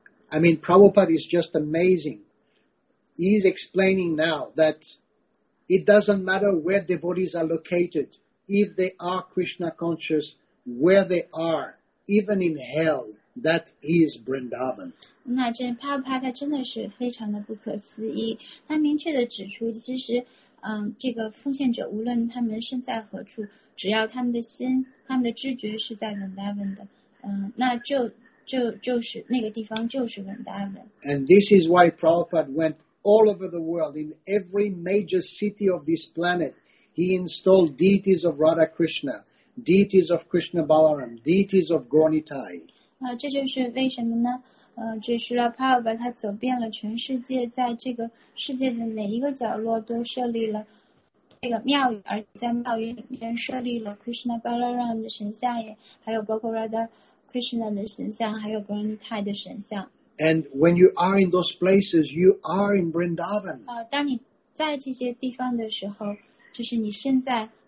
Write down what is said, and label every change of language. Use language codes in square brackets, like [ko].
[en] I mean, Prabhupada is just amazing. He's explaining now that it doesn't matter where devotees are located, if they are Krishna conscious,where they are, even in hell, that is Vrindavan. [zh] 那这帕帕他真的是非常的不可思议。他明确地指出，其实，这个奉献者无论他们身在何处，只要他们的心、他们的知觉是在 Vrindavan 的，那就是那个地方就是 Vrindavan。 [en] And this is why Prabhupada went all over the world in every major city of this planet. He installed deities of Radha Krishna. Deities of Krishna Balaram, deities of Gornitai. [zh] 这就是为什么呢？这是Srila Prabhupada他走遍了全世界，在这个世界的每一个角落都设立了这个庙宇，而在庙宇里面设立了 Krishna Balaram 的神像，也还有包括 Radha Krishna 的神像，还有 Gornitai 的神像。 [en] And when you are in those places, you are in Vrindavan. [zh] 当你在这些地方的时候，就是你身在。